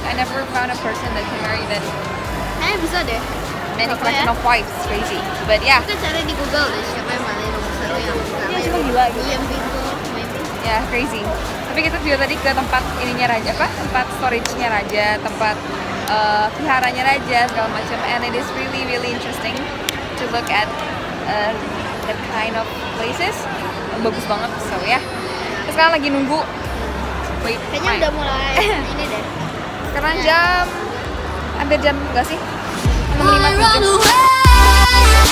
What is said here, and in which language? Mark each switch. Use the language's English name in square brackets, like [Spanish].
[English] I never found a person that can marry that. [Indonesian] Kayaknya bisa deh. [English] Many collection of wives, crazy. But yeah. [Indonesian] Kita cari di Google deh, siapa yang mana yang besar yang gila. Iya, gitu. Ya, crazy. Tapi kita juga tadi ke tempat ininya raja, apa? Tempat storage-nya raja, tempat viharanya raja, segala macam. [English] And it is really, really interesting to look at the kind of places. [Indonesian] Bagus banget, so ya. Yeah. Terus sekarang lagi nunggu. Wait, kayaknya udah mulai ini deh. Sekarang jam hampir jam enggak sih? 6:57.